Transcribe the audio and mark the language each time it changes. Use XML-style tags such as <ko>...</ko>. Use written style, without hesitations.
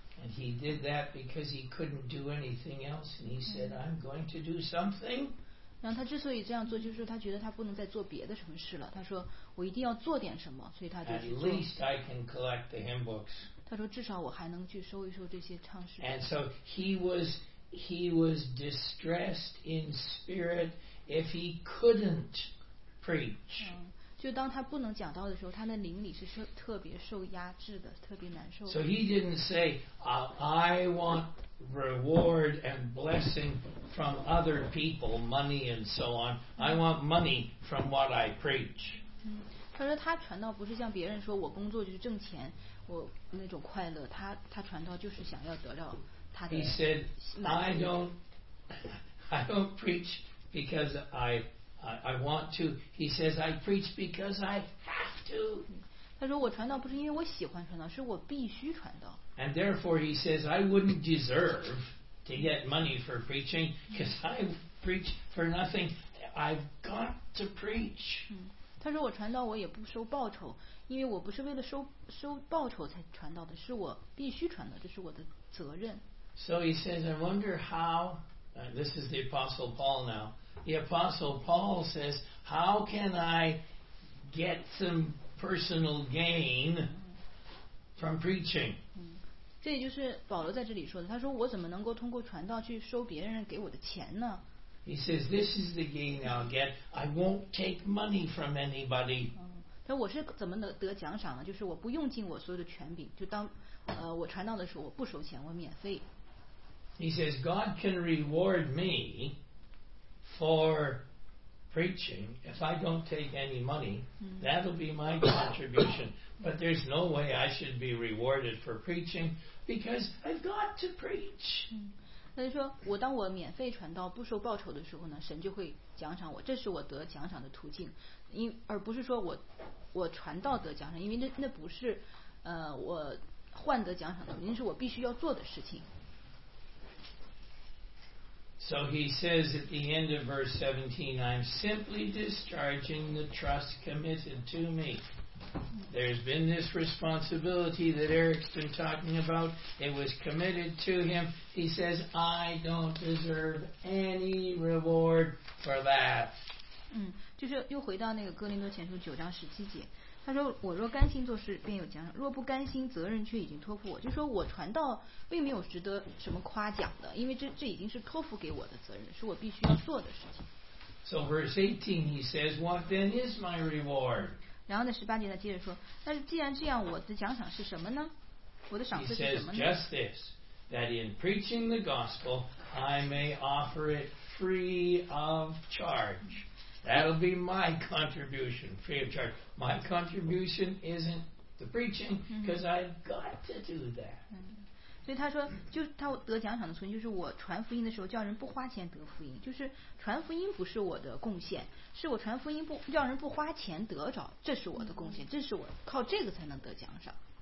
<en>And he did that because he couldn't do anything else, and he said, "I'm going to do something."</en> <zh>然后他之所以这样做，就是他觉得他不能再做别的什么事了。他说，我一定要做点什么，所以他就去做。</zh> <en>At least I can collect the hymn books.</en> <zh>他说，至少我还能去收一收这些唱诗。</zh> <en>And so he was distressed in spirit if he couldn't preach.</en> <zh>就当他不能讲道的时候，他的灵里是特别受压制的，特别难受。</zh> <en>So he didn't say, "I want reward and blessing from other people, money and so on. I want money from what I preach."</en> <zh>他说他传道不是像别人说我工作就是挣钱，我那种快乐。他传道就是想要得到。</zh> <en>He said, I don't preach because I want to. He says, I preach because I have to.</en> <zh>他说我传道不是因为我喜欢传道，是我必须传道。</zh> <en>And therefore, he says, I wouldn't deserve to get money for preaching because I preach for nothing. I've got to preach.</en> <zh>他说我传道我也不收报酬，因为我不是为了收报酬才传道的，是我必须传道，这是我的责任。</zh> <en>So he says, I wonder how, this is the Apostle Paul now, the Apostle Paul says, how can I get some personal gain from preaching?</en> <zh>这也就是保罗在这里说的，他说我怎么能够通过传道去收别人给我的钱呢？</zh> <en>He says, this is the gain I'll get, I won't take money from anybody.</en> <zh>他说我是怎么得奖赏呢？就是我不用尽我所有的权柄，就当我传道的时候我不收钱，我免费。</zh> <en>He says, God can reward me for preaching if I don't take any money. That'll be my contribution. But there's no way I should be rewarded for preaching because I've got to preach.</en> <zh>他就说我当我免费传道不收报酬的时候呢，神就会奖赏我，这是我得奖赏的途径，而不是说我传道得奖赏，因为那不是我换得奖赏的途径，是我必须要做的事情。</zh> <en>So he says at the end of verse 17, I'm simply discharging the trust committed to me. There's been this responsibility that Eric's been talking about. It was committed to him. He says, I don't deserve any reward for that.</en> <zh>就是又回到那个哥林多前书九章十七节。他说我若甘心做事便有奖赏，若不甘心责任却已经托付我，就说我传道并没有值得什么夸奖的，因为这已经是托付给我的责任，是我必须要做的事情。</zh> <en>So verse 18 he says, what then is my reward?</en> <zh>然后呢十八节他接着说，但是既然这样我的奖赏是什么呢？我的赏赐是什么呢？</zh> <en>He says just this, that in preaching the gospel I may offer it free of chargeThat'll be my contribution, free of charge. My contribution isn't the preaching, because I've got to do that.</en> <zh>所以他说，就他得奖赏的存，就是我传福音的时候叫人不花钱得福音，就是传福音不是我的贡献，是我传福音不叫人不花钱得着，这是我的贡献，这是我靠这个才能得奖赏。</zh>